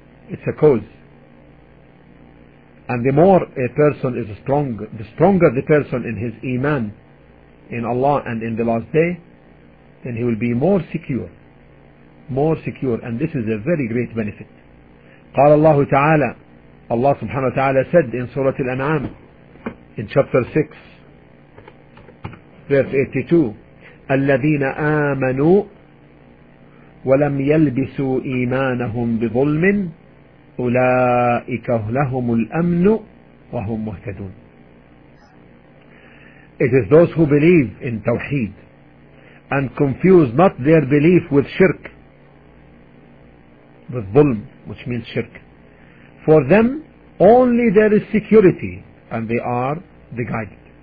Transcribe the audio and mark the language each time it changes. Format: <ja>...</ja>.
<en>It's a cause. And the more a person is strong, the stronger the person in his iman in Allah and in the last day, then he will be more secure. And this is a very great benefit.</en> <ar>قال الله تعالى,</ar> <en>Allah subhanahu wa ta'ala said in Surah Al-An'am in chapter 6 verse 82,</en> <ar>الذين آمنوا ولم يلبسوا إيمانهم بظلم أولئك لهم الأمن وهم مهتدون.</ar> <en>It is those who believe in Tawheed and confuse not their belief with shirk, with dhulm, which means shirk. For them only there is security, and they are the guided.</en>